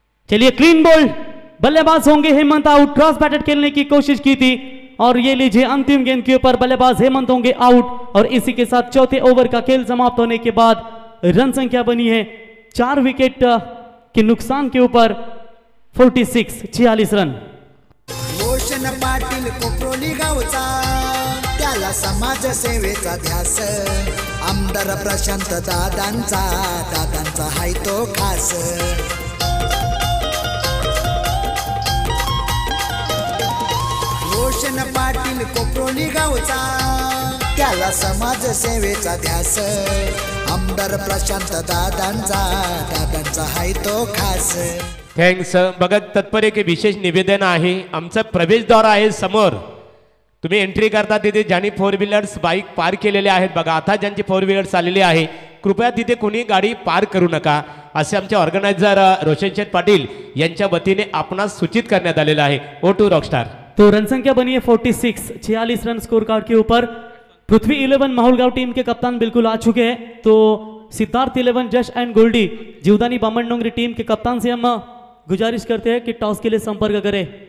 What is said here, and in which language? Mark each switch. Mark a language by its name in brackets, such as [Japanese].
[Hindi] चलिए clean bowled बल्लेबाज होंगे हेमंत आउट। क्रॉस बैटेड खेलने की कोशिश की थी और ये लीजिए अंतिम गेंद के ऊपर बल्लेबाज हेमंत होंगे आउट। और इसी के साथ चौथे ओवर का खेल समाप्त होने के बाद रन संख्या बनी है 4 विकेट के नुकसान के ऊपर 46 46 रन। [Marathi] पाटील कोप्रोली गावचा त्याला समाज सेवेचा ध्यास, आमदार प्रशांत दादांचा हाय तो खास। रोशन पाटील कोप्रोली गावचा त्याला समाज सेवेचा ध्यास, आमदार प्रशांत दादांचा हाय तो खास। [English] Thanks. [Marathi] बघत तत्पर एक विशेष निवेदन आहे, आमचं प्रवेशद्वार आहे समोर, तुम्ही एंट्री करता तिथे ज्यांनी फोर व्हीलर्स बाईक पार्क केलेले आहेत बघा, आता ज्यांची फोर व्हीलर्स आलेली आहे कृपया तिथे कोणी गाडी पार्क करू नका, असे आमचे ऑर्गनायझर रोशन शेठ पाटील यांच्या वतीने आपणास सूचित करण्यात आलेलं आहे। [English] ओ टू रॉकस्टार। [Hindi] तो रनसंख्या बनी आहे 46 46 रन स्कोर कार्ड के ऊपर। पृथ्वी 11 माहुलगाव टीम के कप्तान बिल्कुल आ चुके हैं। तो सिद्धार्थ 11 जश and Goldy Jivdani Baman Dongri team के कप्तान से हम गुजारिश करते हैं कि टॉस के लिए संपर्क करें।